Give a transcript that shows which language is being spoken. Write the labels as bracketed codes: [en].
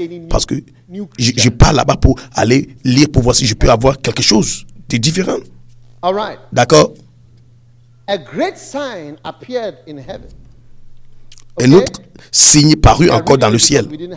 [fr] Parce que je pars là-bas pour aller lire, pour voir si je peux avoir quelque chose de différent. D'accord. [en] A great sign appeared in heaven. [fr] Un autre signe parut encore dans le ciel.